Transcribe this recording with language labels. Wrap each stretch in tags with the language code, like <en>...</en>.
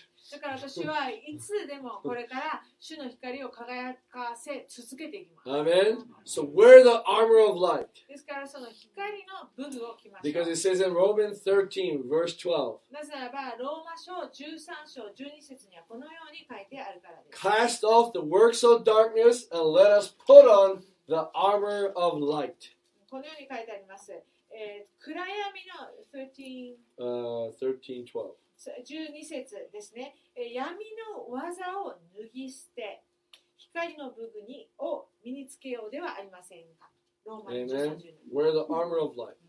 <ja>だから私はいつでもこれから主の光を輝かせ続けていきます。</ja> <en>Amen. So wear the armor of light.</en> <ja>ですからその光の武具を着ます。</ja> <en>Because it says in Romans 13, verse 12.</en> <ja>なぜならばローマ書13章12節にはこのように書いてあるからです。</ja> <en>Cast off the works of darkness and let us put on the armor of light.</en> <ja>このように書いてあります。暗闇の</ja> <en>13:12.</en> <ja>12節ですね。闇の技を脱ぎ捨て、光の武具を身につけようではありませんか。ローマ</ja> <en>Amen. Wear the armor of light.</en>